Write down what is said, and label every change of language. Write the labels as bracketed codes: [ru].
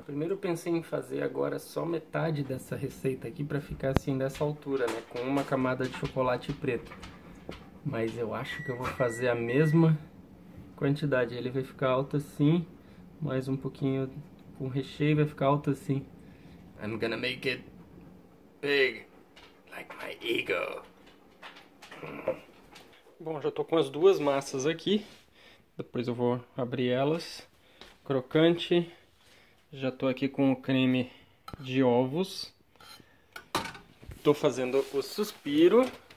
[pt] Primeiro eu pensei em fazer agora só metade dessa receita aqui pra ficar assim dessa altura, né? Com uma camada de chocolate preto. Mas eu acho que eu vou fazer a mesma quantidade. Ele vai ficar alto assim, mais um pouquinho com recheio vai ficar alto assim. [en] I'm gonna make it big, like my ego. [pt] Bom, já tô com as duas massas aqui. Depois eu vou abrir elas. Crocante. Já tô aqui com o creme de ovos. Tô fazendo o suspiro.